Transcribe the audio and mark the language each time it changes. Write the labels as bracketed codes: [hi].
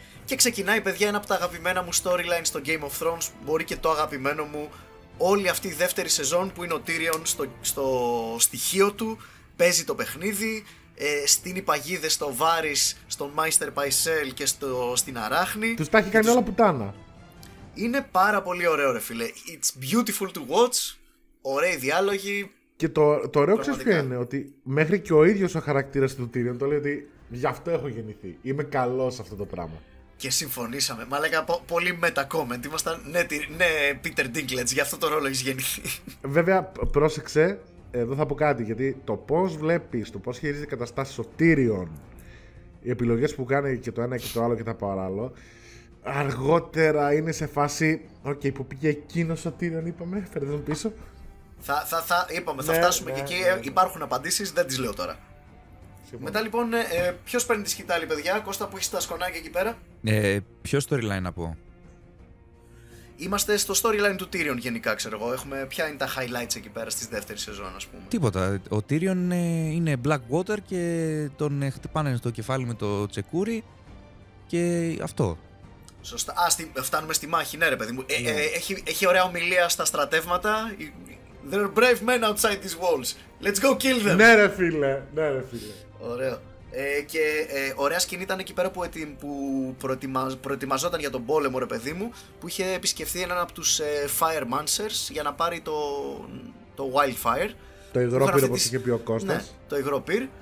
[el] Και ξεκινάει, παιδιά, ένα από τα αγαπημένα μου storyline στο Game of Thrones, μπορεί και το αγαπημένο μου. Όλη αυτή η δεύτερη σεζόν που είναι ο Τίριον στο στοιχείο του, παίζει το παιχνίδι, στείνει παγίδες στο Βάρις, στον Μάιστερ Παϊσέλ και στην Αράχνη. Τους τα έχει κάνει όλα πουτάνα. Είναι πάρα πολύ ωραίο ρε φίλε. [en] It's beautiful to watch, [el] ωραίοι διάλογοι. Και το ωραίο ξέρεις ποιο είναι, ότι μέχρι και ο ίδιος ο χαρακτήρας του Τίριον το λέει ότι γι' αυτό έχω γεννηθεί, είμαι καλός αυτό το πράγμα. Και συμφωνήσαμε. Μα λέγα πολύ μετακόμεντ. Ήμασταν ναι, Peter Dinklage, γι' αυτό το ρόλο έχει γεννηθεί. Βέβαια, πρόσεξε, εδώ θα πω κάτι. Γιατί το πώς βλέπεις, το πώς χειρίζεται η καταστάση ο Τίριον, οι επιλογές που κάνει και το ένα και το άλλο και τα παράλληλα, αργότερα είναι σε φάση. Οκ, που πήγε εκείνος ο Τίριον, είπαμε. Φέρε τον πίσω. Είπαμε, θα φτάσουμε και εκεί. Υπάρχουν απαντήσεις, δεν τις λέω τώρα. Μετά λοιπόν, ποιος παίρνει τη σκητάλη, παιδιά, Κώστα, που έχεις τα σκονάκια εκεί πέρα. Ποιο storyline να πω. Είμαστε στο storyline του Τίριον γενικά, ξέρω εγώ. Ποια είναι τα highlights εκεί πέρα στις δεύτερη σεζόν, ας πούμε. Τίποτα. Ο Τίριον είναι Blackwater και τον χτυπάνε στο κεφάλι με το τσεκούρι και αυτό. Σωστά. Φτάνουμε στη μάχη, ναι ρε παιδί μου. Yeah. Έχει ωραία ομιλία στα στρατεύματα. [en] There are brave men outside these walls. Let's go kill them. [el] Ναι ρε φίλε, ναι ρε φίλε. Ωραίο. Ωραία σκηνή ήταν εκεί πέρα που προετοιμαζόταν για τον πόλεμο ρε παιδί μου, που είχε επισκεφθεί έναν από τους Firemancers για να πάρει το Wildfire. Το υγρόπυρο που είχε πει ο Κώστας. Ναι, το υγρόπυρ.